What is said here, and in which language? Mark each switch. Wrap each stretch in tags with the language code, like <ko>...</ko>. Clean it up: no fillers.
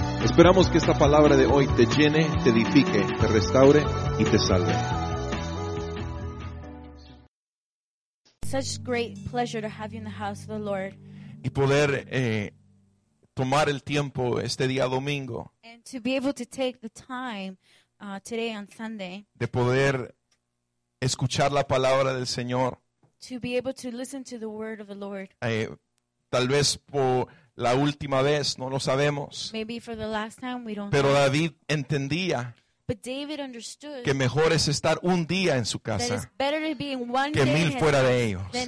<es>Esperamos que esta palabra de hoy te llene, te edifique, te restaure y te salve.</es> <en>Such great pleasure to have you in the house of the Lord.</en> <es>Y poder tomar el tiempo este día domingo.</es> <en>And to be able to take the time today on Sunday.</en> <es>De poder escuchar la palabra del Señor.</es> <en>To be able to listen to the word of the Lord.</en> <es>Tal vez por la última vez, no lo sabemos.</es> <en>Maybe for the last time, we don't</en> <es>Pero David</es> <en>know.</en> <es>Entendía.</es> <en>But David understood</en> <es>que mejor es estar un día en su casa que mil fuera de ellos.</es>